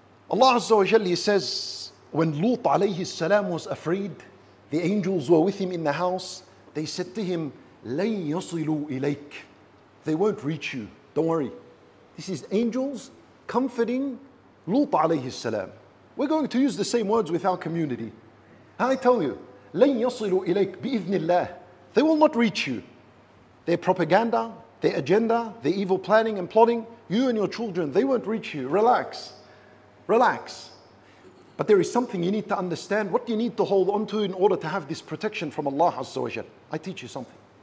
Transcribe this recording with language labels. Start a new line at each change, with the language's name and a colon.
English: Allah Azza wa Jalla says, when Lut alayhi salam was afraid, the angels were with him in the house. They said to him,
Arabic: لَنْ يَصِلُوا إِلَيْكَ.
English: They won't reach you. Don't worry. This is angels comforting Lut alayhi salam. We're going to use the same words with our community. I tell you,
Arabic: لَنْ يَصِلُوا إِلَيْكَ بِإِذْنِ اللَّهِ.
English: They will not reach you. Their propaganda, their agenda, their evil planning and plotting, you and your children, they won't reach you. Relax. Relax. But there is something you need to understand. What do you need to hold on to in order to have this protection from Allah Azza wa Jalla? I teach you something.